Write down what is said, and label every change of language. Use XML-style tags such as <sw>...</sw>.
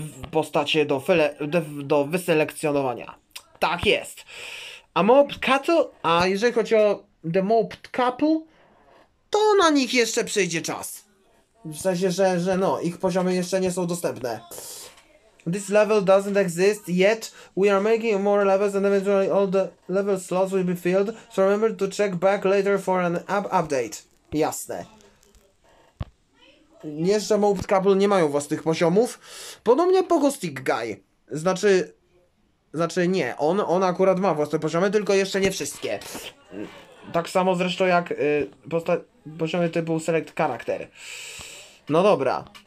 <pl>postacie do wyselekcjonowania. Tak jest. A Mobbed Couple? A jeżeli chodzi o The Mobbed Couple? To na nich jeszcze przyjdzie czas. W sensie, że no, ich poziomy jeszcze nie są dostępne.</pl> <en>This level doesn't exist yet. We are making more levels and eventually all the level slots will be filled. So remember to check back later for an update.</en> <pl>Jasne. Jeszcze Mobbed Couple nie mają własnych poziomów. Podobnie Pogo Stick Guy. Znaczy nie, on akurat ma własne poziomy, tylko jeszcze nie wszystkie. Tak samo zresztą jak poziomy typu Select Character. No dobra.</pl>